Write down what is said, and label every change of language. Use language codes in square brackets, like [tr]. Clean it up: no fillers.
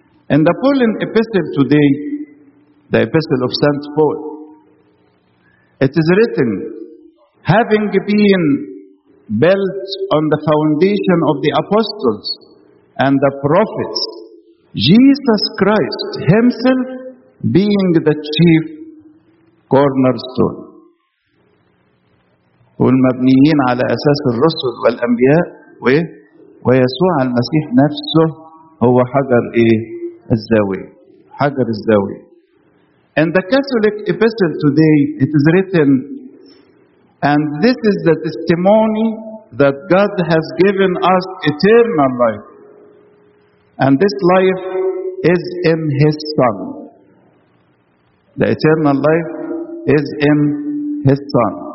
[en] In the Pauline epistle today, the epistle of Saint Paul, it is written, having been built on the foundation of the apostles and the prophets, Jesus Christ himself being the chief cornerstone. [ar] والمبنيين على أساس الرسل والأنبياء ويسوع المسيح نفسه هو حجر الزاوية. حجر الزاوية. [en] In the Catholic epistle today, it is written, and this is the testimony that God has given us eternal life. And this life is in His Son. The eternal life is in His Son.